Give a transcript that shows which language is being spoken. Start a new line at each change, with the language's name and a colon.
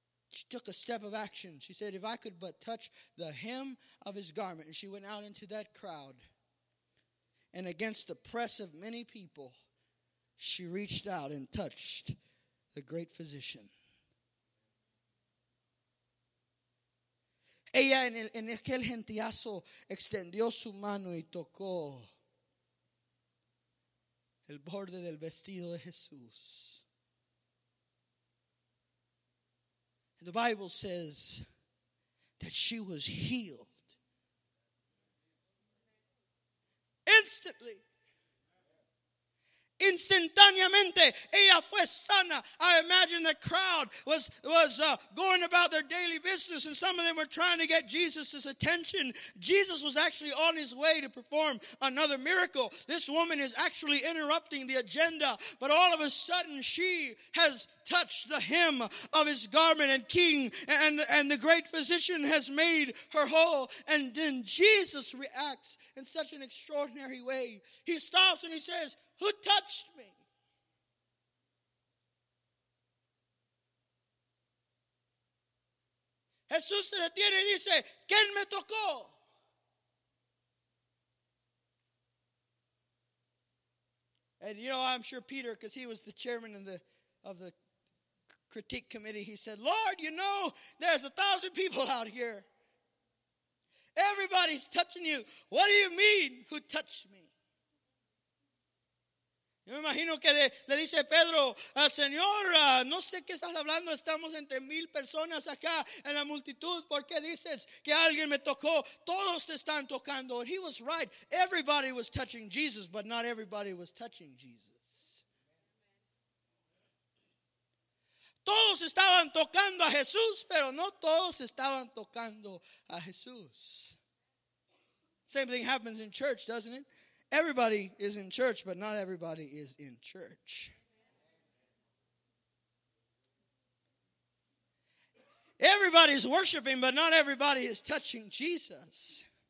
English: She took a step of action. She said, if I could but touch the hem of his garment. And she went out into that crowd, and against the press of many people, she reached out and touched the great physician.
Spanish: Ella en aquel gentiazo extendió su mano y tocó el borde del vestido de Jesús.
English: And the Bible says that she was healed instantly.
Spanish: Instantáneamente, ella fue sana.
English: I imagine the crowd was going about their daily business, and some of them were trying to get Jesus' attention. Jesus was actually on his way to perform another miracle. This woman is actually interrupting the agenda, but all of a sudden she has touched the hem of his garment, and king and the great physician has made her whole. And then Jesus reacts in such an extraordinary way. He stops and he says, who touched me?
Spanish: Jesús se detiene y dice, ¿quién me tocó?
English: And you know, I'm sure Peter, because he was the chairman of the critique committee, he said, Lord, you know, there's 1,000 people out here. Everybody's touching you. What do you mean, who touched me?
Spanish: Yo me imagino que le dice Pedro, Señor, no sé qué estás hablando, estamos entre 1,000 personas acá en la multitud, ¿por qué dices que alguien me tocó? Todos te están tocando.
English: And he was right. Everybody was touching Jesus, but not everybody was touching Jesus.
Spanish: Todos estaban tocando a Jesús, pero no todos estaban tocando a Jesús.
English: Same thing happens in church, doesn't it? Everybody is in church, but not everybody is in church. Everybody is worshiping, but not everybody is touching Jesus.